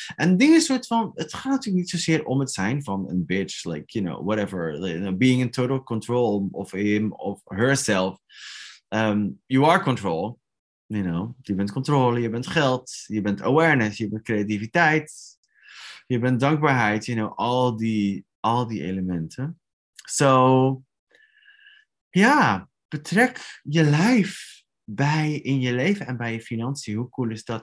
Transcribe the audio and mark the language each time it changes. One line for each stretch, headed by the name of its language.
Dutch: En ding is soort van, het gaat natuurlijk niet zozeer om het zijn van een bitch.
English: Like, you know, whatever. You know, being in total control of him of herself. You are control. You know,
Dutch: je bent controle, je bent geld. Je bent awareness, je bent creativiteit. Je bent dankbaarheid.
English: You know,
Dutch: al die elementen.
English: So,
Dutch: ja, betrek je lijf bij in je leven en bij je financiën. Hoe cool is dat?